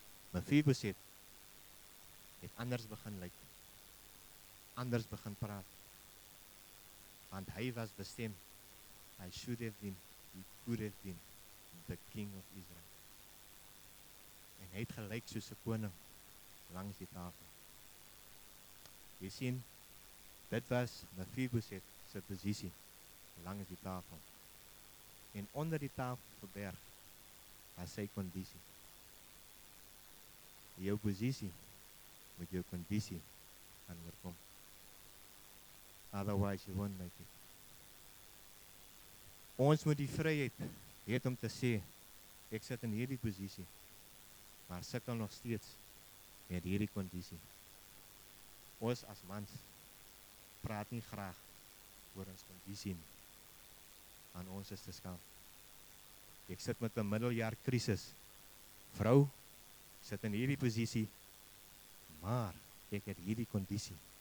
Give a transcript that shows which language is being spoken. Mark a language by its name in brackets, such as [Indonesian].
[Afrikaans] Mephibosheth het anders begin lyk, anders begin praat, want hy was bestem, hy [English] should have been, he could have been the king of Israel. [Afrikaans] En hy het gelyk soos 'n koning langs die tafel. Jy sien, dit was Mephibosheth se posisie langs die tafel. En onder die tafel verberg was sy kondisie. Jou posisie met jou kondisie gaan oorkom. [English] Otherwise you won't make it. [Afrikaans] Ons moet die vryheid het om te sê, ek sit in hierdie posisie. Maar sukkel nog steeds met hierdie kondisie. Ons as mans praat nie graag oor ons kondisie nie. Aan ons is te skam. Ek sit met 'n middeljaar krisis. Vrou sit in hierdie posisie, maar ek het hierdie kondisie.